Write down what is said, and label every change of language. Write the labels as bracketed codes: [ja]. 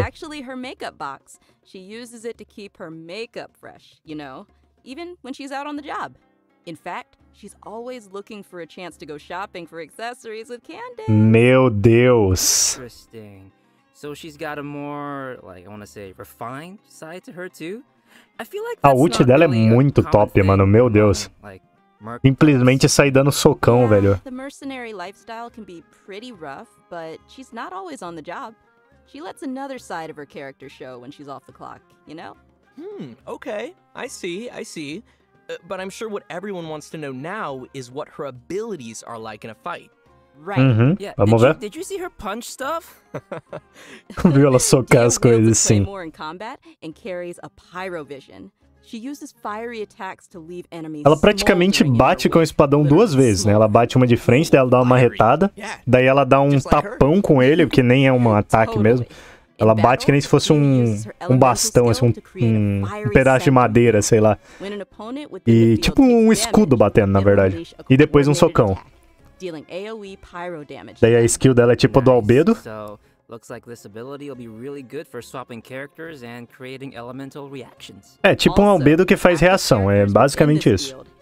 [en] It's actually her makeup box. She uses it to keep her makeup fresh, you know? Even when she's out on the job. In fact, she's always looking for a chance to go shopping for accessories with Candace. [pt] Meu Deus. [en] Interesting. So she's got a more, like, I want to say, refined side to her too. I feel like [pt] a ult dela é muito top, mano. Meu Deus. Simplesmente sair dando socão, velho. [en] The mercenary lifestyle can be pretty rough, but she's not always on the job. She lets another side of her character show when she's off the clock, you know? Hmm, okay. I see. But I'm sure what everyone wants to know now is what her abilities are like in a fight. Right. Uhum. Yeah. [pt] Vamos ver. [en] Did you see her punch stuff? [pt] Viu ela socar as coisas, sim. [en] More in combat and carries a pyro vision. She uses fiery attacks to leave enemies. [pt] Ela praticamente bate com o espadão duas vezes, né? Ela bate uma de frente, daí ela dá uma marretada, daí ela dá um tapão com ele, que nem é um ataque mesmo. Ela bate que nem se fosse um bastão, assim, um pedaço de madeira, sei lá. E tipo um escudo batendo, na verdade. E depois um socão. [en] Dealing AoE pyro damage. [pt] Daí a skill dela é tipo do Albedo. [en] So, looks like this ability will be really good for swapping characters and creating elemental reactions. [pt] É tipo um Albedo que faz reação, é basicamente isso.